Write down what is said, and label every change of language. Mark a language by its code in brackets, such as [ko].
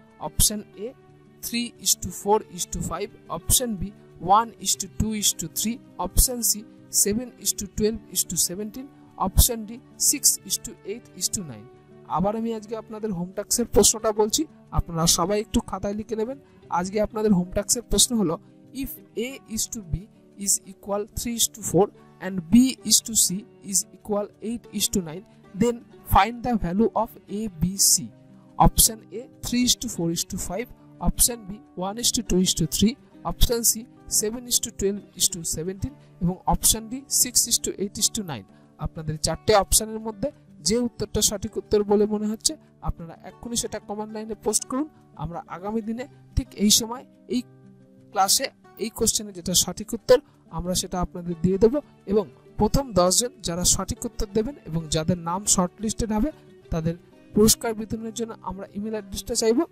[bn] Option A 3:4:5, option B 1:2:3, option C 7:12:17, option D 6:8:9। আবার আমি আজকে আপনাদের হোম টাস্কের প্রশ্নটা বলছি, আপনারা সবাই একটু খাতায় লিখে নেবেন। আজকে আপনাদের হোম টাস্কের প্রশ্ন হলো [en] If A is to B is equal 3:4 and B:C is equal 8:9, then find the value of A, B, C. Option A 3:4:5, option B 1:2:3, option C 7:12:17, এবং option D 6:8:9। [bn] আপনাদের চারটি অপশনের মধ্যে যে উত্তরটা সঠিক উত্তর বলে মনে হচ্ছে আপনারা এক্ষুনি সেটা কমেন্ট লাইনে পোস্ট করুন। আমরা আগামী দিনে ঠিক এই সময় এই ক্লাসে এই কোশ্চেনের যেটা সঠিক উত্তর আমরা সেটা আপনাদের দিয়ে দেব, এবং প্রথম 10 জন যারা সঠিক উত্তর দেবেন এবং যাদের নাম শর্টলিস্টেড হবে তাদের পুরস্কার বিতরণের জন্য আমরা ইমেল অ্যাড্রেসটা চাইব।